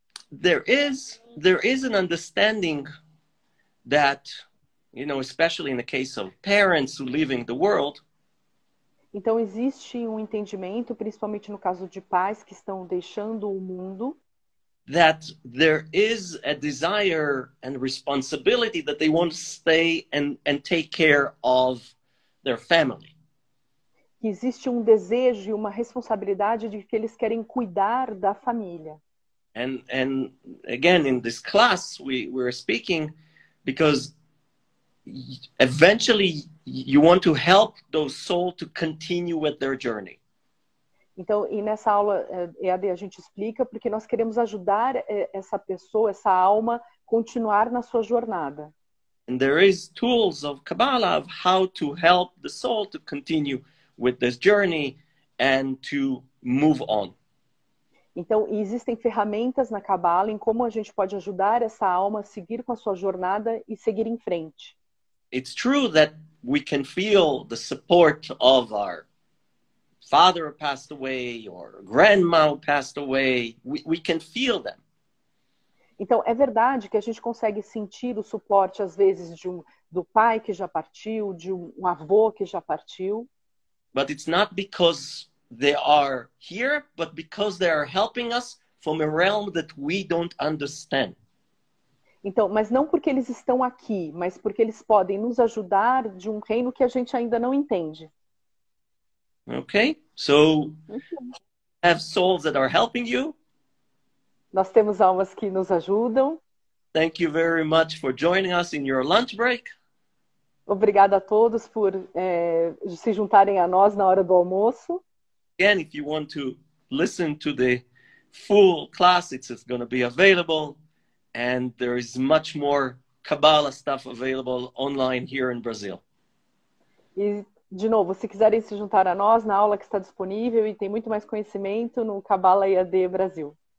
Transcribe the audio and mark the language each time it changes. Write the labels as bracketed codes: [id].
[en] There is an understanding that, you know, especially in the case of parents who live in the world. [pt] Então existe um entendimento, principalmente no caso de pais que estão deixando o mundo, [en] that there is a desire and responsibility that they want to stay and take care of their family. [pt] Que existe um desejo e uma responsabilidade de que eles querem cuidar da família. [en] And again, in this class, we're speaking because eventually you want to help those souls to continue with their journey. [pt] Então, e nessa aula, EAD, a gente explica porque nós queremos ajudar essa pessoa, essa alma, continuar na sua jornada. [en] And there is tools of Kabbalah of how to help the soul to continue with this journey and to move on. [pt] Então, existem ferramentas na Kabbalah em como a gente pode ajudar essa alma a seguir com a sua jornada e seguir em frente. [en] It's true that we can feel the support of our father passed away or grandma passed away. We can feel them. [pt] Então, é verdade que a gente consegue sentir o suporte, às vezes, do pai que já partiu, de um avô que já partiu. [en] But it's not because they are here, but because they are helping us from a realm that we don't understand. [pt] Então, mas não porque eles estão aqui, mas porque eles podem nos ajudar de um reino que a gente ainda não entende. [en] Okay, so have souls that are helping you. [pt] Nós temos almas que nos ajudam. [en] Thank you very much for joining us in your lunch break. [pt] Obrigada a todos por se juntarem a nós na hora do almoço. [en] Again, if you want to listen to the full class, it's going to be available. And there is much more Kabbalah stuff available online here in Brazil. [pt] E, de novo, se quiserem se juntar a nós na aula que está disponível e tem muito mais conhecimento no Kabbalah EAD Brasil.